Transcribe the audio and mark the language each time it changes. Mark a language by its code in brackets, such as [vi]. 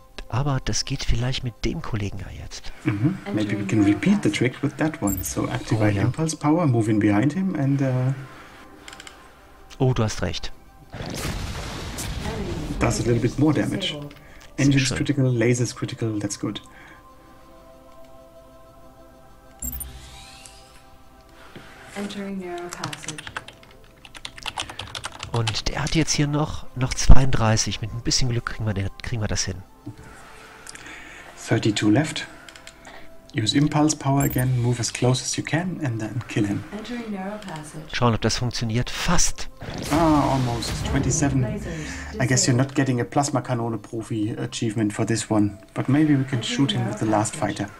[de] Aber das geht vielleicht mit dem Kollegen ja jetzt. Mm-hmm. [en] Maybe we can repeat the trick with that one. So activate impulse power, move in behind him and... [de] Oh, du hast recht. [en] Does a little bit more damage. Engines critical, lasers critical, that's good. Entering narrow passage. [de] Und der hat jetzt hier noch 32. Mit ein bisschen Glück kriegen wir das hin. [en] 32 left. Use impulse power again. Move as close as you can and then kill him. Entering narrow passage. [de] Schauen, ob das funktioniert. Fast. [en] Ah, almost. 27. I guess you're not getting a plasma kanone profi achievement for this one. But maybe we can shoot him with the last fighter.